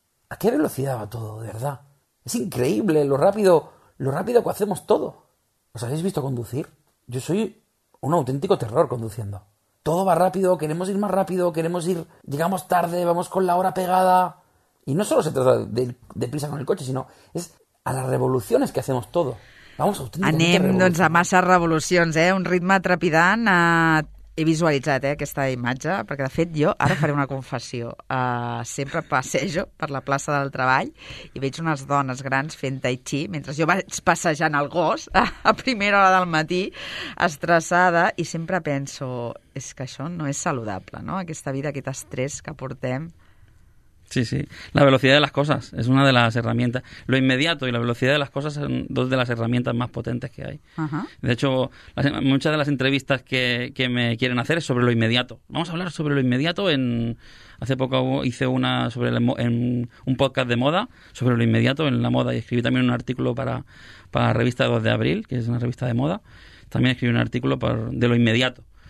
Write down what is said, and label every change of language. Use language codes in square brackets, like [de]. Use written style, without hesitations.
[es] ¿A qué velocidad va todo, de verdad? Es increíble lo rápido que hacemos todo. ¿Os habéis visto conducir? Yo soy un auténtico terror conduciendo. Todo va rápido, queremos ir más rápido, llegamos tarde, vamos con la hora pegada. Y no solo se trata de prisa con el coche, sino es a las revoluciones que hacemos todo. Vamos auténticamente a revolucionar. [ca] Anem, a massa revolucions, un ritme trepidant. He visualitzat aquesta imatge, perquè de fet jo ara faré una confessió. Sempre passejo per la plaça del treball i veig unes dones grans fent tai chi mentre jo vaig passejant el gos a primera hora del matí, estressada, i sempre penso, és que això no és saludable, no? Aquesta vida, aquest estrès que portem. Sí, sí. [es] La velocidad de las cosas es una de las herramientas. Lo inmediato y la velocidad de las cosas son dos de las herramientas más potentes que hay. Ajá. De hecho, muchas de las entrevistas que me quieren hacer es sobre lo inmediato. Vamos a hablar sobre lo inmediato. Hace poco hice una en un podcast de moda sobre lo inmediato en la moda, y escribí también un artículo para la revista 2 de abril, que es una revista de moda. También escribí un artículo de lo inmediato.